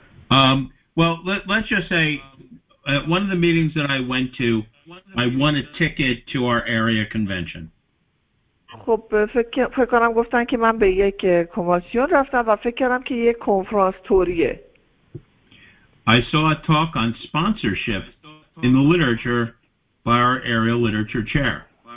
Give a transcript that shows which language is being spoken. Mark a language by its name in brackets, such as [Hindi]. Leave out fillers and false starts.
[English] Well, let's just say, at one of the meetings that I went to, I won a ticket to our area convention. [Persian] خب فکر کنم گفتن که من به یک کنوانسیون رفتم و فکر کردم که یک کنفرانس توریه. [English] I saw a talk on sponsorship in the literature by our area literature chair.